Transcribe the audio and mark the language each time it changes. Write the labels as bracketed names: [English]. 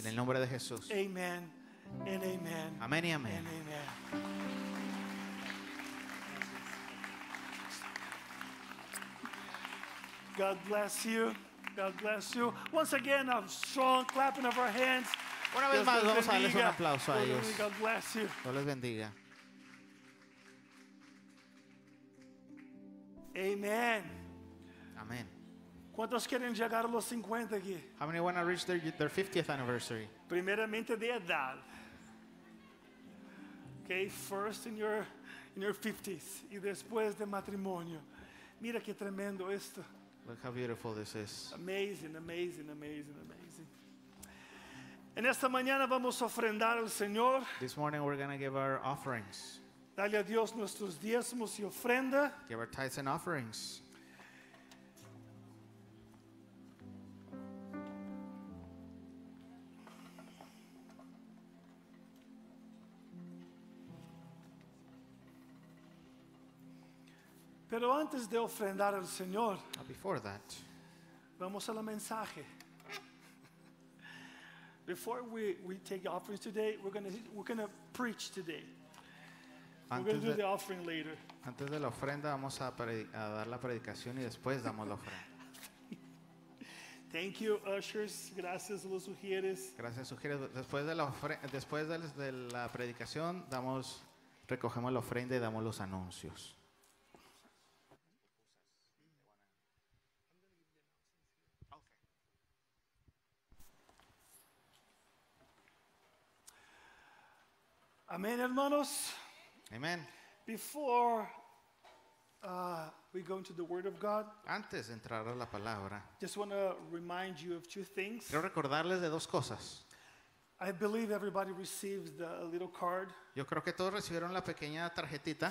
[Spanish] En el nombre de Jesús. [English] Amen. And amen. [Spanish] Amén y amén. [English] And amen. God bless you. God bless you. Once again, a strong clapping of our hands. [Spanish] Una vez más, vamos a darles un aplauso a ellos. [English] God bless you. [Spanish] Dios les bendiga. [English] Amen. Amen. [Spanish] ¿Cuántos quieren llegar a los 50 aquí? [English] How many want to reach their 50th anniversary? [Spanish] Primeramente de edad. [English] Okay, first in your 50s. [Spanish] Y después de matrimonio. Mira qué tremendo esto. [English] Look how beautiful this is. Amazing, amazing, amazing, amazing. [Spanish] En esta mañana vamos a ofrendar al Señor. [English] This morning we're going to give our offerings. [Spanish] Dale a Dios nuestros diezmos y ofrenda. [English] Give our tithes and offerings. [Spanish] Pero antes de ofrendar al Señor, [English] before that, [Spanish] vamos a la mensaje. [English] Before we take the offerings today, we're gonna preach today. [Spanish] Antes [English] we're gonna do the offering later. [Spanish] Antes de la ofrenda vamos a dar la predicación y después damos la ofrenda. [English] Thank you, ushers. [Spanish] Gracias, los sugieres. Gracias, sugieres. Después de la predicación recogemos la ofrenda y damos los anuncios. Amen, hermanos. Amen. [English] Before we go into the Word of God, [Spanish] antes de entrar a la palabra, [English] just want to remind you of two things. [Spanish] Quiero recordarles de dos cosas. [English] I believe everybody received the little card. [Spanish] Yo creo que todos recibieron la pequeña tarjetita.